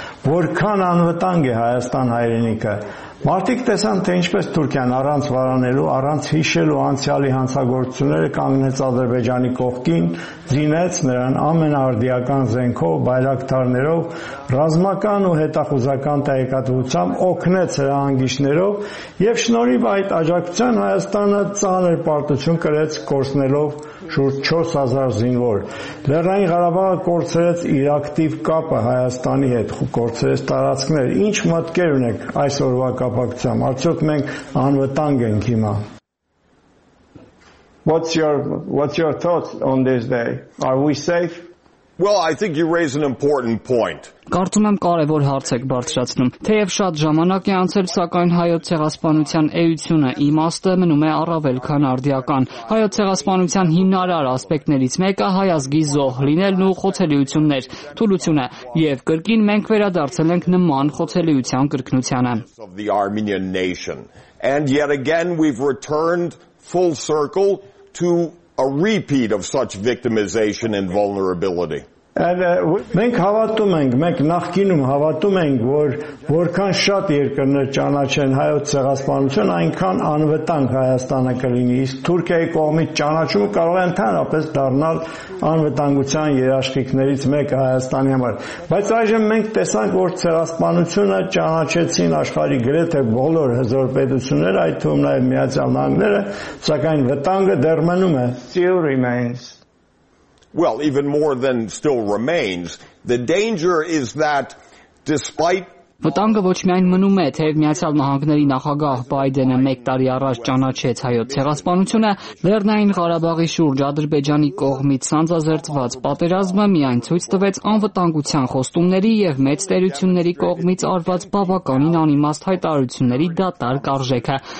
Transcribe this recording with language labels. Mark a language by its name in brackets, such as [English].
[Armenian] որքան անվտանգ է Հայաստան հայրենիքը։ Մարդիկ տեսան, թե ինչպես Թուրքիան առանց վարանելու, առանց հիշելու անցյալի հանցագործությունները կանգնեց Ադրբեջանի կողքին, զինեց նրան ամենաարդիական զենքով, բայրակտարներով, ռազմական ու հետախուզական տեղեկատվությամբ, օգնեց հրա հանգիշներով, և շնորհիվ այդ աջակցության Հայաստանը ծանր պարտություն կրեց, կորցնելով շուրջ 4000 զինվոր։ Լեռնային Ղարաբաղը կորցրեց իր ակտիվ կապը Հայաստանի հետ, կորցրեց տարածքներ։ Ինչ մտքեր ունեք այս օրվա կապակցությամբ, արդյոք մենք անվտանգ ենք հիմա? [English] What's your thoughts on this day? Are we safe? Well, I think you raise an important point. [Armenian] Կարծում եմ կարևոր հարց եք բարձրացնում։ Թեև շատ ժամանակ է անցել, սակայն հայոց ցեղասպանության էությունը իմաստը մնում է առավել քան արդիական։ Հայոց ցեղասպանության հիմնարար ասպեկտներից մեկը հայազգի զոհ լինելն ու խոցելիություններ, թուլությունը, եւ կրկին մենք վերադարձել ենք նման խոցելիության կրկնությանը։ [English] Of the Armenian nation. And yet again we've returned full circle to a repeat of such victimization and vulnerability. [Armenian] Մենք հավատում ենք, մենք նախկինում հավատում ենք, որ որքան շատ երկրներ ճանաչեն հայոց ցեղասպանություն, այնքան անվտանգ Հայաստանը կլինի, իսկ Թուրքիայի կողմից ճանաչումը կարող է ընդհանրապես դառնալ անվտանգության երաշխիքներից մեկը Հայաստանի համար։ Բայց այժմ մենք տեսանք, որ ցեղասպանությունը ճանաչեցին աշխարի գրեթե բոլոր հզոր պետությունները, այդ թվում նաև Միացյալ Նահանգները, սակայն վտանգը դեռ մնում է։ [English] Still remains. Well, even more than still remains, the danger is that despite [Armenian] Վտանգը ոչ միայն մնում է, թեև Միացյալ Նահանգների նախագահ Բայդենը 1 տարի առաջ ճանաչեց հայոց ցեղասպանությունը, Լեռնային Ղարաբաղի շուրջ Ադրբեջանի կողմից սանձազերծված պատերազմը միայն ցույց տվեց անվտանգության խոստումների եւ մեծ տերությունների կողմից արված բավականին անիմաստ հայտարարությունների դատարկ արժեքը։